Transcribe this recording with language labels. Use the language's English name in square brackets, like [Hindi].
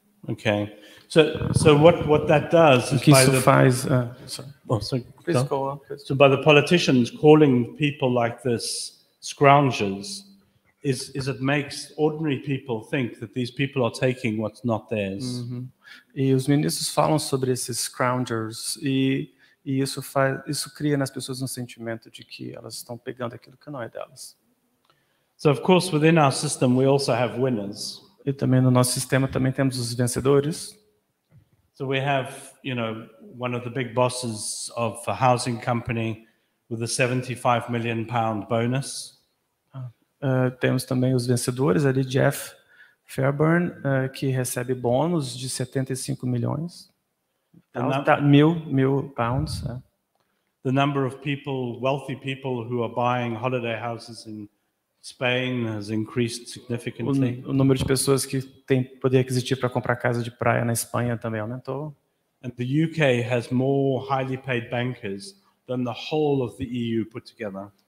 [English] Okay, so what that does is [Portuguese] que [English] by the [Portuguese] faz, [English] by the politicians calling people like this scroungers is it makes ordinary people think that these people are taking what's not theirs. [Portuguese] Uh-huh. E os ministros falam sobre esses scroungers e isso faz isso cria nas pessoas um sentimento de que elas estão pegando aquilo que não é delas. [English] So of course within our system we also have winners. [Portuguese] E também no nosso sistema também temos os vencedores. [English] So we have, you know, one of the big bosses of a housing company with a £75 million bonus. [Portuguese] Temos também os vencedores ali, Jeff Fairburn, que recebe bônus de 75 milhões. Mil pounds. [English] The number of people, wealthy people who are buying holiday houses in Spain has increased significantly. [Portuguese] O número de pessoas que têm poder aquisitivo para comprar casa de praia na Espanha também aumentou. [English] And the UK has more highly paid bankers than the whole of the EU put together.